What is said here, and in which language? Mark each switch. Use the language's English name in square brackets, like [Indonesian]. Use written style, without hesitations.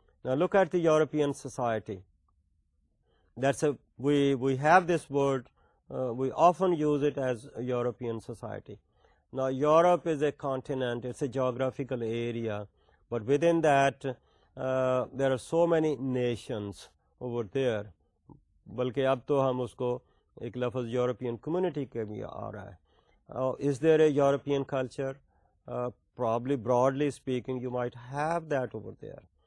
[English] Now look at the European society. We have this word. We often use it as a European society. Now Europe is a continent. It's a geographical area. But within that, there are so many nations over there. [Urdu] بلکہ اب تو ہم اس کو ایک لفظ European community کے بھی آ رہا ہے. [English] Is there a European culture? Probably broadly speaking you might have that over there.